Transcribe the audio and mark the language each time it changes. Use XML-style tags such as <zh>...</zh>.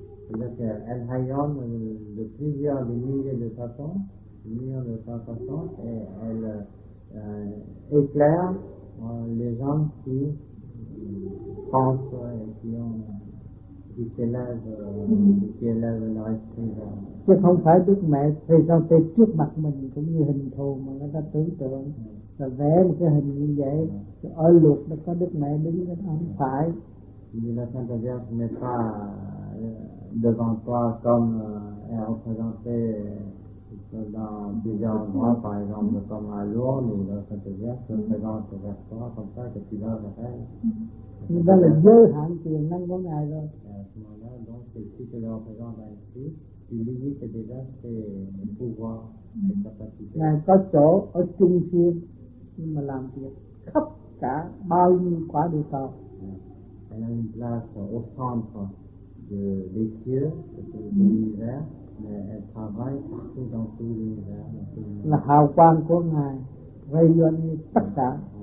<fr>Elle rayonne de plusieurs milliers de façons et elle éclaire les gens qui pensent et qui ont qui se lave, qui lave le respect.</fr> <vi>Chứ không phải Đức Mẹ thì sao thì trước mặt mình cũng như hình thù mà người ta tưởng tượng là vẽ một cái hình như vậy. Ở luật nó có Đức Mẹ đứng đó, không phải. Như là</vi> <fr>Sainte Vierge n'est pas devant toi comme elle représentée dans plusieurs endroits, par exemple comme à Lourdes, mais la Sainte Vierge se présente vers toi comme ça que tu l'as vers elle.</fr> <vi>Nhưng đó là giới hạn quyền năng của Ngài rồi.</vi> <fr>À ce moment-là, donc c'est si tu le représentes ainsi, tu limites déjà ses pouvoirs, ses capacités.</fr> <vi>Ngài có chỗ ở trung thiên, nhưng mà làm việc khắp cả bao nhiêu quả địa cầu.</vi> <fr>Elle a une place au centre des cieux, de l'univers, mais elle travaille partout dans tout l'univers.</fr> <vi>Là hào quang của Ngài, rayonne tất cả.</vi>